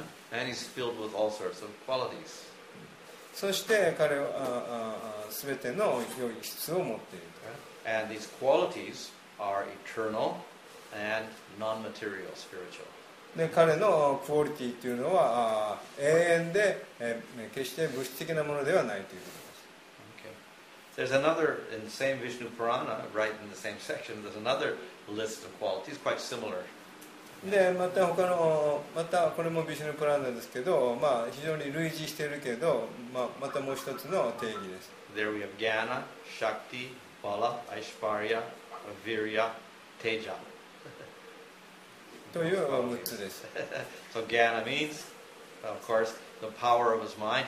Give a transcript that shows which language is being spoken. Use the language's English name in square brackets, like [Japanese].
[English] And he's filled with all sorts of qualities. [Japanese] そして彼は全ての良い質を持っている。 [English] And these qualities are eternal and non-material spiritual. [Japanese] で彼のクオリティというのは永遠で決して物質的なものではないということです。 [English] Okay. There's another in the same Vishnu Purana, right in the same section. There's another list of qualities quite similar. [Japanese] でまた他のまたこれもビシュヌプラーナですけど、まあ非常に類似しているけど、まあ、またもう一つの定義です。 [English] There we have Jnana, Shakti, Bala, Aishvarya, Virya, Teja. [Japanese] という6つです。 [English] So Jnana means, of course, the power of his mind.